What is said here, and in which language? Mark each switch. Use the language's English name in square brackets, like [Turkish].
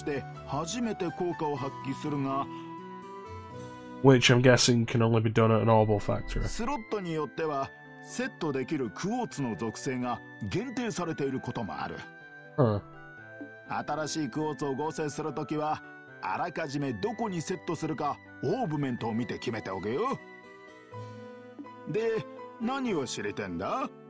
[Japanese] 所有者の能力を引き上げると同時に、様々なアーツを使用できるようにするという、本当にいろんな効果を持っていやがる。クォーツはオーブメントのスロットにセットして初めて効果を発揮するが、 [English] Which I'm guessing can only be done at an orbital factory. [Japanese] スロットによっては、 セットできるクォーツの属性が限定されていることもある。新しいクォーツを合成するときは、あらかじめどこにセットするかオーブメントを見て決めておけよ。で、何を知りてんだ?